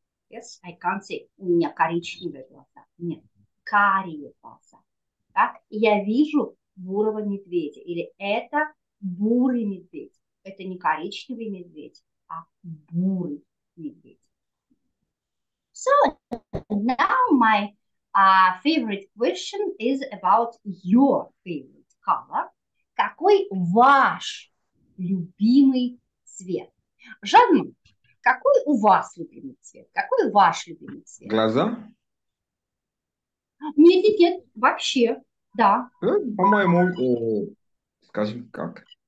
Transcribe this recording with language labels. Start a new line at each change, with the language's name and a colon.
English: Yes, I can't say
Russian: у меня коричневые глаза. Нет, карие глаза. Так, я вижу бурого медведя. Или это бурый медведь. Это не коричневый медведь, а бурый медведь.
English: So, now my favorite question is about your favorite color.
Russian: Какой ваш любимый цвет? Жанна, какой у вас любимый цвет? Какой ваш любимый цвет? Глаза? Нет, нет, нет, вообще, да. По-моему, скажем, как?